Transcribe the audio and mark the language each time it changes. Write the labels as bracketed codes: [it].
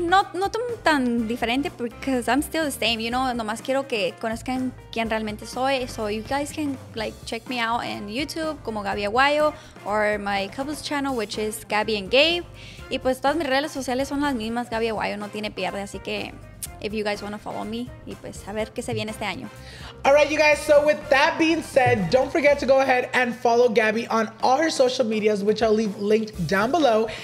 [es] No tan diferente [en] because I'm still the same. [es] You know, nomás quiero que conozcan quién realmente soy. [en] So you guys can like check me out in YouTube como Gabbi Aguayo or my couple's channel, which is Gabbi and Gabe. [es] Y pues todas mis redes sociales son las mismas. Gabbi Aguayo no tiene pierde. Así que [en] if you guys want to follow me, [es] y pues a ver qué se viene este año. [en] All right, you guys, so with that being said, don't forget to go ahead and follow Gabbi on all her social medias, which I'll leave linked down below.